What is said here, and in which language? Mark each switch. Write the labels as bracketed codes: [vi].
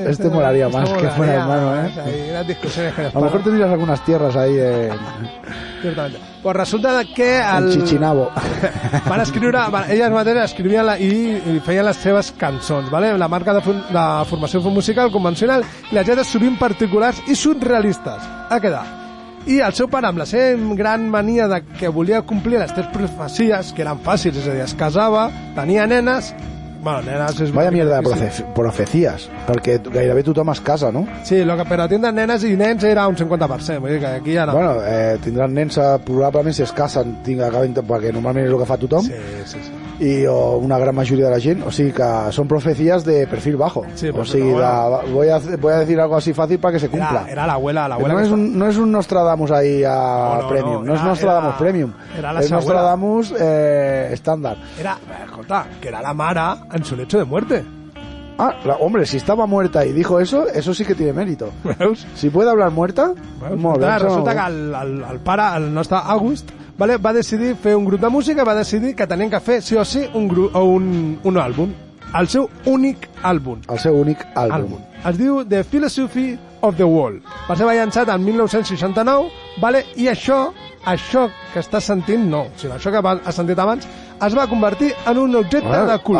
[es] molaría más, este que molaría, fuera hermano, ¿eh? Gran discusión. A lo mejor tendrías algunas tierras ahí en... Ciertamente. Pues resulta que... En Chichinabo. [ca] Van escriure, elles mateixes escrivien i feien les seves cançons, ¿vale? La marca de formació musical convencional, les lletres sovint particulars i surrealistes. Ha quedat. I el seu pare, amb la seva gran mania de que volia complir les tres profecies, que eren fàcils, és a dir, es casava, tenia nenes... Bueno, nenes és... [es] Vaya mierda de [ca] profecies, perquè gairebé tothom es casa, no? Sí, però tindran nenes i nens era un 50%, vull dir que aquí ja no... Bueno, tindran nens probablement si es casen, perquè normalment és el que fa tothom. Sí. I o una gran majoria de la gent, o sigui que són profecies [es] de perfil bajo. [ca] Sí, o sigui, [es] voy a decir algo así fácil para que se cumpla. [ca] Era l'abuela. No és un Nostradamus ahí premium, no és Nostradamus premium. Era la Nostradamus estàndard. Era, escolta, que era la mare... [es] en su lecho de muerte. Ah, hombre, si estaba muerta y dijo eso, eso sí que tiene mérito. [ca] ¿Veus? [es] Si puede hablar muerta, [ca] molt bé. Resulta que el pare, el nostre August, vale, va decidir fer un grup de música, va decidir que tenien que fer sí o sí un àlbum. El seu únic àlbum. Es diu The Philosophy of the World. Va ser llançat en 1969, vale, i això que estàs sentint, no, sinó això que has sentit abans, es va convertir en un objecte de culte.